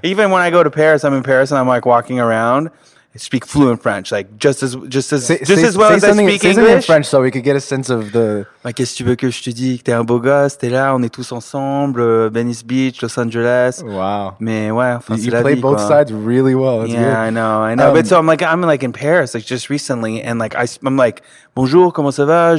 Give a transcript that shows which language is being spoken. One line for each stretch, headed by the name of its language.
English: Even when I go to Paris, I'm in Paris and I'm like walking around, I speak fluent French, like just as well as I speak English. Say something in French so we could get a sense of the...
French: Like, qu'est-ce que tu veux que je te dise? T'es un beau gosse, t'es là, on est tous ensemble, Venice Beach, Los Angeles.
English: Wow.
French: Mais ouais,
English: enfin, you play both sides really well. That's yeah, good. I know. But so I'm like in Paris, like just recently, and like, I'm like,
French: bonjour, comment ça va?